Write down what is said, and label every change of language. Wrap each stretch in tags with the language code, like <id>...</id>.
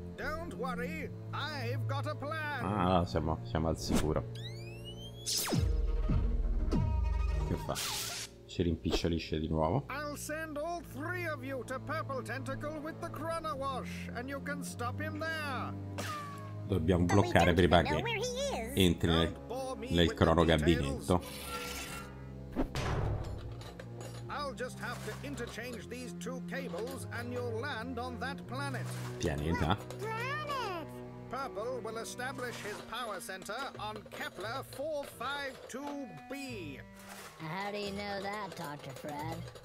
<en>Don't worry, I've got a plan.</en> <it>Ah, no, siamo al sicuro. Che fa? Si rimpicciolisce di nuovo.</it> <en>I'll send all three of you to Purple Tentacle with the Chrono Wash, and you can stop him there.</en> <it>Dobbiamo bloccare prima che entri nel crono gabinetto.</it> <en>I'll just have to interchange these two cables and you'll land on that planet.</en> <it>Pianeta.</it> <en>Purple will establish his power center on Kepler 452b. How do you know that, Dr. Fred?</en>